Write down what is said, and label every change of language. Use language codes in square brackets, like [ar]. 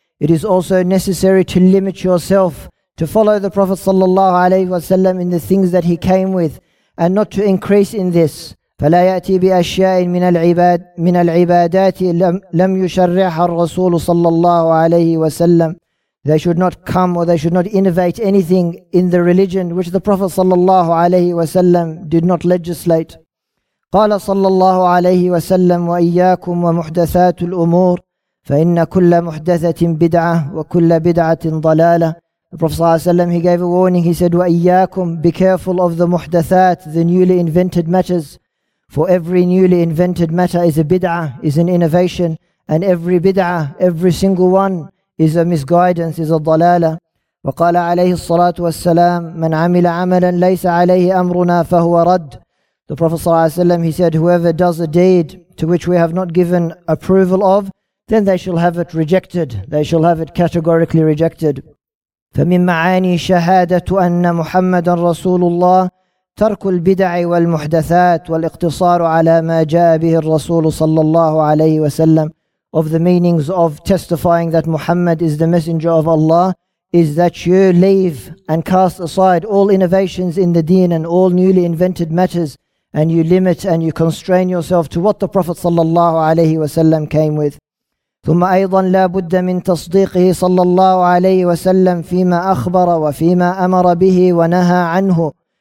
[en] It is also necessary to limit yourself, to follow the Prophet sallallahu alayhi wa sallam in the things that he came with, and not to increase in this. [ar] فَلَا يَأْتِي بِأَشْيَاءٍ مِنَ الْعِبَادَاتِ لَمْ يُشَرِّحَ الرَّسُولُ sallallahu alayhi wa sallam. [en] They should not come, or they should not innovate anything in the religion which the Prophet sallallahu alayhi wa sallam did not legislate. [ar] قال صلى الله عليه وسلم وإياكم ومحدثات الأمور فإن كل محدثة بدعة وكل بدعة ضلالة. [en] The Prophet صلى الله عليه وسلم, he gave a warning, he said, وإياكم, be careful of the محدثات, the newly invented matters, for every newly invented matter is a bid'ah, is an innovation, and every bid'ah, every single one, is a misguidance, is a ضلالة. [ar] وقال عليه الصلاة والسلام من عمل عملا ليس عليه أمرنا فهو رد. [en] The Prophet ﷺ, he said, whoever does a deed to which we have not given approval of, then they shall have it rejected. They shall have it categorically rejected. [ar] فمن معاني شهادة أن محمد رسول الله ترك البدع والمحدثات والاقتصار على ما جاء به الرسول صلى الله عليه وسلم. [en] Of the meanings of testifying that Muhammad is the messenger of Allah is that you leave and cast aside all innovations in the deen and all newly invented matters, and you limit and you constrain yourself to what the Prophet صلى الله عليه وسلم came with. [ar] ثم أيضا لا بد من تصديقه صلى الله عليه وسلم فيما أخبر وفيما أمر به ونهى عنه.